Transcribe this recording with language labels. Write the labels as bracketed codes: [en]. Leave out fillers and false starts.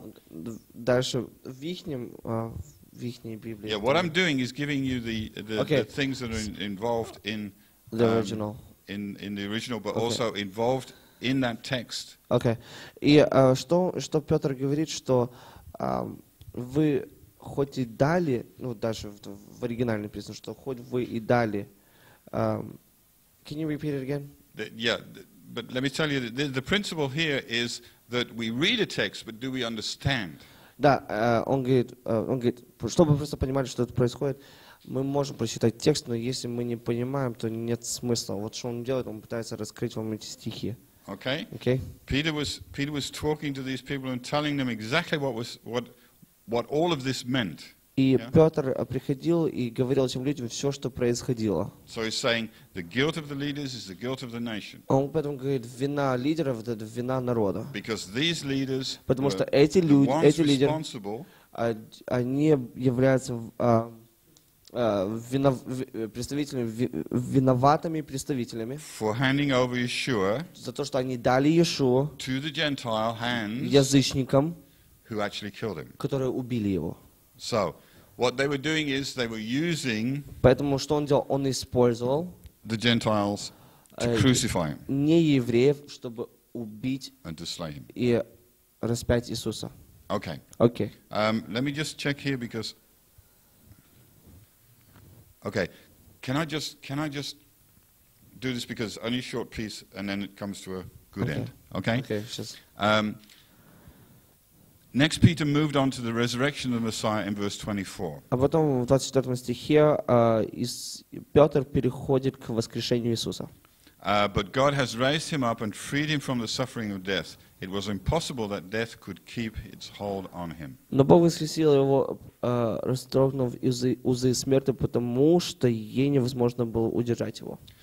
[ru] Дальше в ихнем, в ихней Библии. [en] Yeah, what I'm doing is giving you the things that are involved in the original. In the original, but also involved in that text. Okay. [ru] И что Петр говорит, что вы хоть и дали, ну даже в оригинальном написано, что хоть вы и дали. [en] Can you repeat it again? But let me tell you, the principle here is that we read a text, but do we understand? [ru] Да, он говорит, чтобы просто понимали, что это происходит, мы можем прочитать текст, но если мы не понимаем, то нет смысла. Вот что он делает, он пытается раскрыть вам эти стихи. [en] Okay. Okay. Peter was talking to these people and telling them exactly what all of this meant. [ru] И Петр приходил и говорил этим людям все, что происходило. [en] So he's saying the guilt of the leaders is the guilt of the nation. [ru] Он поэтому говорит, вина лидеров — это вина народа. [en] Because these leaders, [ru] потому что эти люди, эти лидеры, они являются виноватыми представителями [en] for handing over Yeshua [ru] за то, что они дали Иешуа [en] to the Gentile hands, [ru] язычникам, [en] who actually killed him. [ru] Которые убили его. [en] So, what they were doing is they were using [ru] поэтому, что он делал, он использовал [en] the Gentiles to crucify him [ru] не евреев, чтобы убить [en] and to slay him. [ru] И распять Иисуса. [en] Okay. Okay. Let me just check here because okay, can I just do this because only a short piece and then it comes to a good end. Okay? Okay, next Peter moved on to the resurrection of the Messiah in verse 24. [ru] А потом в 24 стихе Петр переходит к воскрешению Иисуса. [en] But God has raised him up and freed him from the suffering of death. It was impossible that death could keep its hold on him. [ru] Но Бог воскресил его, расторгнув узы смерти, потому что ей невозможно было удержать его.